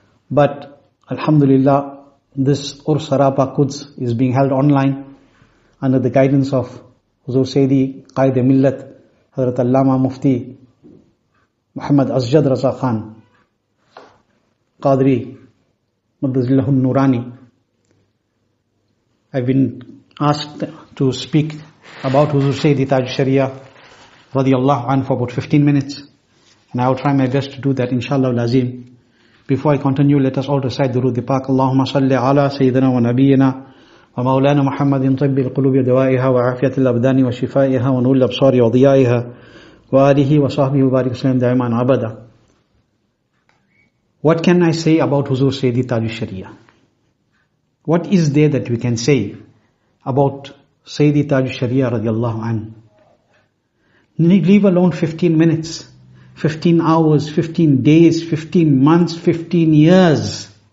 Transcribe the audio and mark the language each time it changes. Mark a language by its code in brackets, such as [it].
[en] But Alhamdulillah, this Urs Arapa Quds is being held online under the guidance of Huzur Sayyidi Qaid-e-Millat, Hazrat Allama Mufti Muhammad Asjad Raza Khan Qadri Maddazillahu Nurani. I've been asked to speak about Huzur Sayyidi Taj Sharia radiallahu anhu for about 15 minutes, and I will try my best to do that inshallah lazim. Before I continue, let us all recite the Rudhi Pak. [ar] Allahumma salli ala Sayyidina wa Nabiyyina ومولانا محمد طب القلوب ودوائها وعافية الأبدان وشفائها ونور الأبصار وضيائها وآله وصحبه وبارك وسلم دائما أبدا. [en] What can I say about Huzur Sayyidi Taj Sharia? What is there that we can say about Sayyidi Taj Sharia radiallahu anhu? Leave alone 15 minutes, 15 hours, 15 days, 15 months, 15 years.